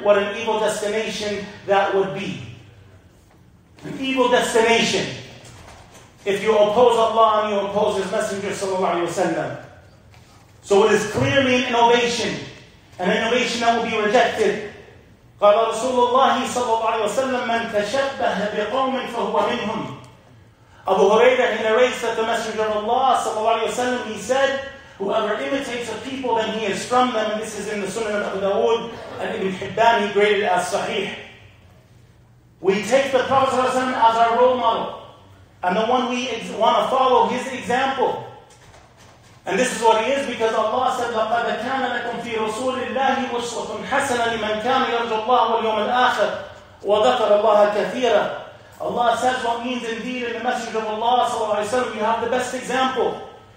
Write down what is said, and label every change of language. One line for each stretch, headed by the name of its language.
English: What an evil destination that would be. An evil destination. If you oppose Allah and you oppose His Messenger sallallahu alayhi wa sallam. So it is clearly an innovation. An innovation that will be rejected.
Arabic: قال رسول الله صلى الله عليه وسلم من تشبه بقوم فهو منهم.
English: Abu Huraira, he narrates that the Messenger of Allah صلى الله عليه وسلم, he said, whoever imitates a people, then he is from them. And this is in the Sunan of Abu Dawud, and Ibn Hibban, he graded it as sahih. We take the Prophet ﷺ as our role model, and the one we want to follow his example. And this is what he is, because Allah said,
Arabic: لَقَدْ كَانَ لَكُمْ فِي رَسُولِ اللَّهِ أُسْوَةٌ حَسَنًا لِمَنْ كَانَ يَرْجُوا اللَّهَ وَالْيَوْمَ الْآخِرَ وَذَكَرَ اللَّهَ كَثِيرًا.
English: Allah says what means indeed in the Messenger of Allah ﷺ, you have the best example.